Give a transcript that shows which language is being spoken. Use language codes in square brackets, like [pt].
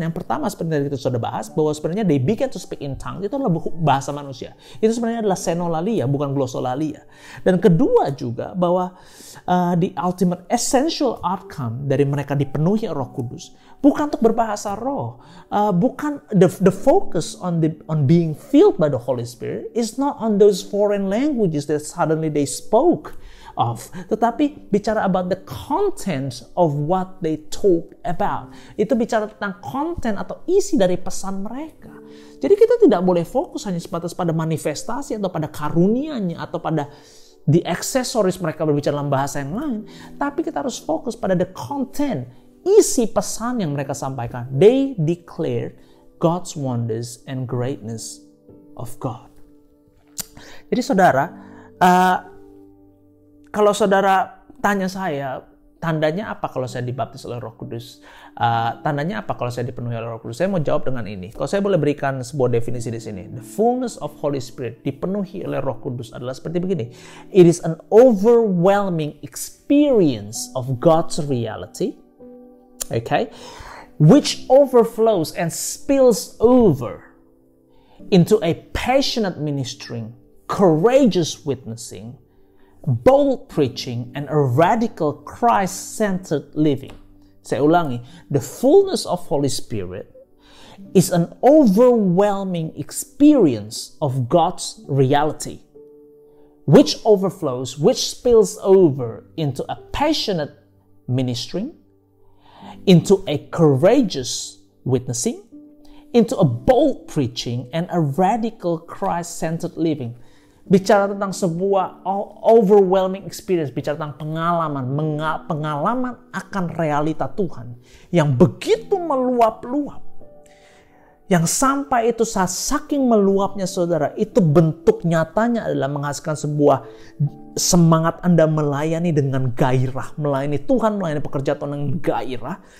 [id] Yang pertama, seperti tadi kita sudah bahas, bahwa sebenarnya [en] they began to speak in tongues [id] itu adalah bahasa manusia. Itu sebenarnya adalah senolalia, bukan glosolalia. Dan kedua juga, bahwa [en] the ultimate essential outcome [id] dari mereka dipenuhi Roh Kudus bukan untuk berbahasa roh. Bukan the focus on being filled by the Holy Spirit is not on those foreign languages that suddenly they spoke of, tetapi bicara about the content of what they talk about. Itu bicara tentang konten atau isi dari pesan mereka. Jadi kita tidak boleh fokus hanya sebatas pada manifestasi atau pada karunianya atau pada [en] the accessories [id] mereka berbicara dalam bahasa yang lain, tapi kita harus fokus pada [en] the content, [id] isi pesan yang mereka sampaikan. [en] They declare God's wonders and greatness of God. [id] Jadi saudara, kalau saudara tanya saya, tandanya apa kalau saya dibaptis oleh Roh Kudus? Tandanya apa kalau saya dipenuhi oleh Roh Kudus? Saya mau jawab dengan ini. Kalau saya boleh berikan sebuah definisi di sini. [en] The fullness of Holy Spirit, [id] dipenuhi oleh Roh Kudus, adalah seperti begini. [en] It is an overwhelming experience of God's reality, okay, which overflows and spills over into a passionate ministering, courageous witnessing, bold preaching, and a radical Christ-centered living. [id] Saya ulangi, [en] the fullness of Holy Spirit is an overwhelming experience of God's reality, which overflows, which spills over into a passionate ministering, into a courageous witnessing, into a bold preaching, and a radical Christ-centered living. [id] Bicara tentang sebuah [en] overwhelming experience, [id] bicara tentang pengalaman, pengalaman akan realita Tuhan yang begitu meluap-luap, yang sampai itu saking meluapnya, saudara, itu bentuk nyatanya adalah menghasilkan sebuah semangat Anda melayani dengan gairah, melayani Tuhan, melayani pekerja Tuhan dengan gairah,